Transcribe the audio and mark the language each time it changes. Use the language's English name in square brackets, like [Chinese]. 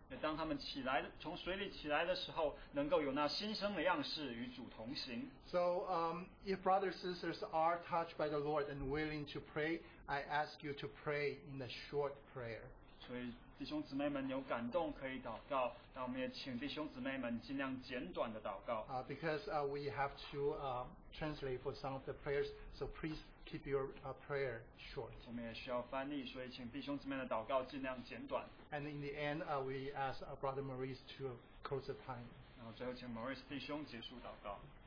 [Chinese] 当他们起来，从水里起来的时候，能够有那新生的样式与主同行。 [English] So if brothers and sisters are touched by the Lord and willing to pray, I ask you to pray in a short prayer. [Chinese] 所以弟兄姊妹们有感动可以祷告，那我们也请弟兄姊妹们尽量简短的祷告。 [English] Because we have to translate for some of the prayers, so please keep your prayer short. [Chinese] 我们也需要翻译，所以请弟兄姊妹的祷告尽量简短。 [English] And in the end, we ask Brother Maurice to close the time. [Chinese] 然后最后请 Maurice 弟兄结束祷告。